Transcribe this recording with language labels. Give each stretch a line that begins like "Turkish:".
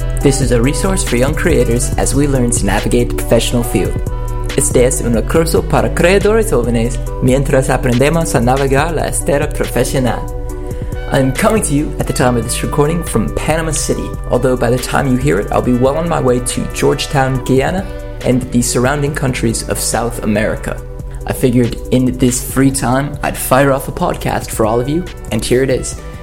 English: This is a resource for young creators as we learn to navigate the professional field.
Spanish: Este es un curso para creadores jóvenes mientras aprendemos a navegar la esfera profesional.
English: I'm coming to you at the time of this recording from Panama City, although by the time you hear it, I'll be well on my way to Georgetown, Guyana, and the surrounding countries of South America. I figured in this free time, I'd fire off a podcast for all of you, and here it is.